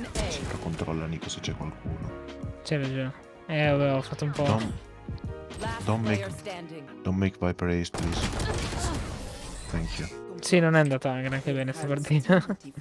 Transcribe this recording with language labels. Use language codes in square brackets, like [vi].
[it] Sempre controlla Nico se c'è qualcuno. C'è ragione. Vabbè, ho fatto un po'. [en] Don't make Viper Ace, please. Thank you. [it] Sì, non è andata neanche bene sta partita.